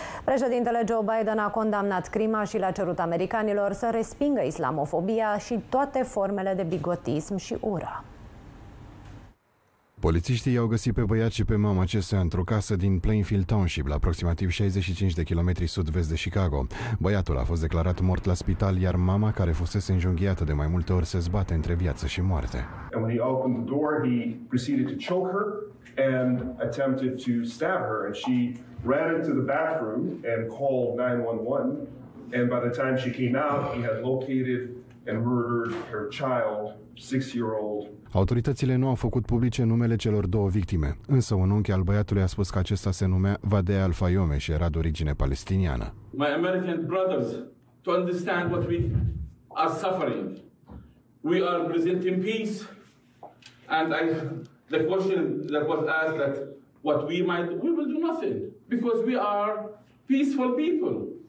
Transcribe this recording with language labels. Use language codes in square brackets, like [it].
[ro] Președintele Joe Biden a condamnat crima și le-a cerut americanilor să respingă islamofobia și toate formele de bigotism și ură. Polițiștii i-au găsit pe băiat și pe mama acestuia într-o casă din Plainfield Township, la aproximativ 65 de kilometri sud-vest de Chicago. Băiatul a fost declarat mort la spital, iar mama, care fusese înjunghiată de mai multe ori, se zbate între viață și moarte. [en] And when he opened the door, he proceeded to choke her and attempted to stab her, and she ran into the bathroom and called 911, and by the time she came out, he had located and murdered her child, 6-year-old. [ro] Autoritățile nu au făcut publice numele celor două victime, însă un unchi al băiatului a spus că acesta se numea Vadea Al-Fayome și era de origine palestiniană. [en] My American brothers, to understand what we are suffering. We are presenting peace, and the question that was asked, that what we will do nothing, because we are peaceful people.